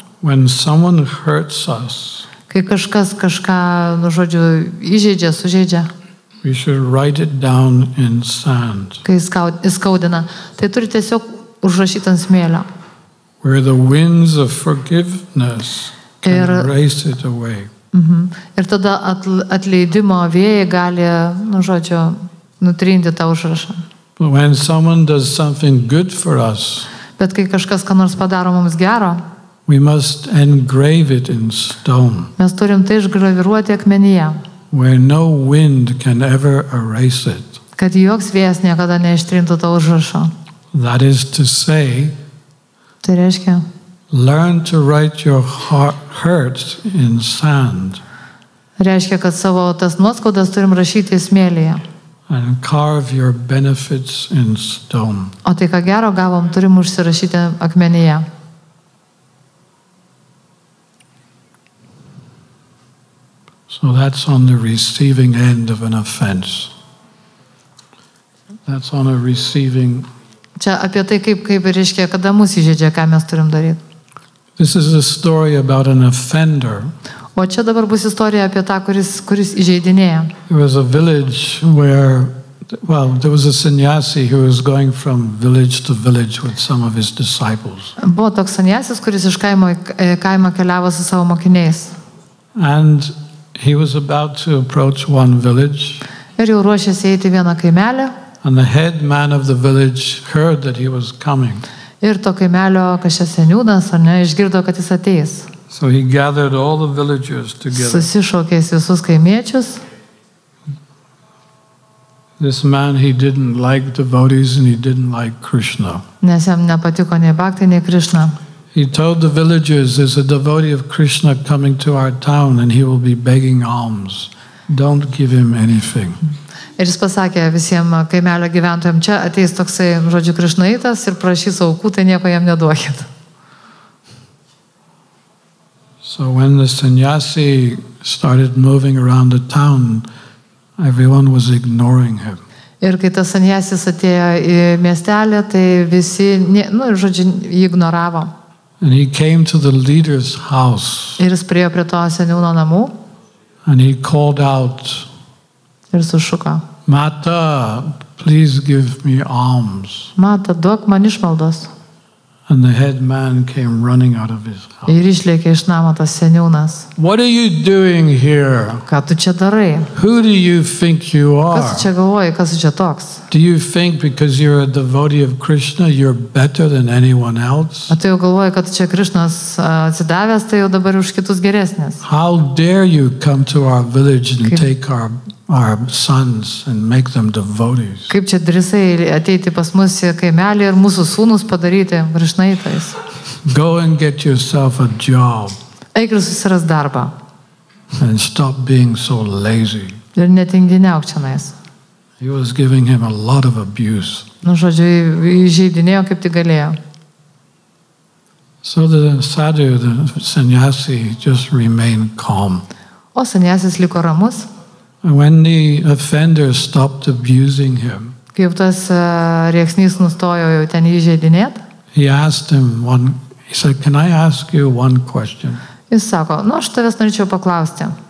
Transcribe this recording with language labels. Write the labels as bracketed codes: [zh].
[en] When someone hurts us, [lt] kai kažkas kažką, žodžiu, įžeidžia, sužeidžia, [en] we should write it down in sand. [lt] Kai skaudina, tai turi tiesiog užrašyti ant smėlio. [en] Where the winds of forgiveness can erase it away. [lt] Ir tada atleidimo vėjai gali, žodžiu, nutrinti tą užrašą. [en] But when someone does something good for us, [lt] bet kai kažkas ką nors padaro mums gero, [en] we must engrave it in stone. [lt] Mes turim tai išgraviruoti akmenyje. [en] Where no wind can ever erase it. [lt] Kad joks vėjas niekada neištrintų tą užrašą. [en] That is to say, [lt] tai reiškia, [en] learn to write your hurts in sand. [lt] Reiškia, kad savo tas nuoskaudas turim rašyti smėlyje. [en] And carve your benefits in stone. [lt] O tai, ką gero gavom, turim užsirašyti akmenyje. [en] So that's on the receiving end of an offense. That's on a receiving. [lt] Čia apie tai, kaip reiškia, kada mūsų įžeidžia, ką mes turim daryti. [en] This is a story about an offender. [lt] O čia dabar bus istorija apie tą, kuris įžeidinėja. [en] There was a village where, well, there was a sannyasi who was going from village to village with some of his disciples. [lt] Buvo toks sannyasis, kuris iš kaimo į kaimą keliavo su savo mokiniais. [en] And he was about to approach one village. [lt] Ir jau ruošėsi eiti vieną kaimelį. [en] And the head man of the village heard that he was coming. [lt] Ir to kaimelio kažkas seniūnas, ar ne, išgirdo, kad jis ateis. [en] So he gathered all the villagers together. [lt] Susišaukė visus kaimiečius. [en] This man, he didn't like devotees and he didn't like Krishna. [lt] Nes jam nepatiko nei bhakti, nei Krishna. [en] He told the villagers, there's a devotee of Krishna coming to our town and he will be begging alms. Don't give him anything. [lt] Ir jis pasakė visiems kaimelio gyventojams, čia ateis toksai, žodžiu, krišnaitas ir prašys aukų, tai nieko jam neduokit. [en] So when the sannyasi started moving around the town, everyone was ignoring him. [lt] Ir kai tas sannyasis atėjo į miestelį, tai visi, nu, žodžiu, jį ignoravo. [en] And he came to the leader's house. [lt] Ir jis priejo prie to seniūno namų. [en] And he called out. [lt] Ir sušuko. [en] Mata, please give me alms. [lt] Mata, duok man išmaldos. [en] And the head man came running out of his house. [lt] Ir išlėkė iš namo tas seniūnas. [en] What are you doing here? [lt] Ką tu čia darai? [en] Who do you think you are? [lt] Kas čia galvoji, kas čia toks? [en] Do you think because you're a devotee of Krishna, you're better than anyone else? [lt] A tu jau galvoji, kad čia Krishnas atsidavęs, tai jau dabar už kitus geresnis. [en] How dare you come to our village and take our sons and make them devotees. [lt] Kaip čia drįsai ateiti pas mus į kaimelį ir mūsų sūnus padaryti krišnaitais? [en] Go and get yourself a job. [lt] Eik ir susiras darbą. [en] And stop being so lazy. [lt] Ir netinginiauk čianais. [en] He was giving him a lot of abuse. [lt] Nu, žodžiu, įžeidinėjo kaip tik galėjo. [en] So the sadhu, the sannyasi, just remained calm. [lt] O sannyasis liko ramus. [en] When the offender stopped abusing him. [lt] Kaip tas rėksnys nustojo jau ten įžeidinėt? [en] He asked him one. He said, "Can I ask you one question?" [lt] Jis sako, nu, aš tavęs norėčiau paklausti.